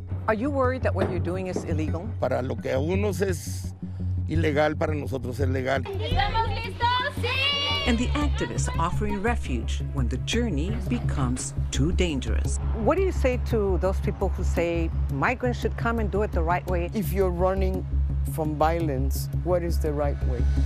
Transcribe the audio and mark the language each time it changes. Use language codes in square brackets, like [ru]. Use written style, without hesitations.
[en] Are you worried that what you're doing is illegal? [es] Para lo que a unos es ilegal, para nosotros es legal. [en] And the activists offering refuge when the journey becomes too dangerous. What do you say to those people who say migrants should come and do it the right way? If you're running from violence, what is the right way?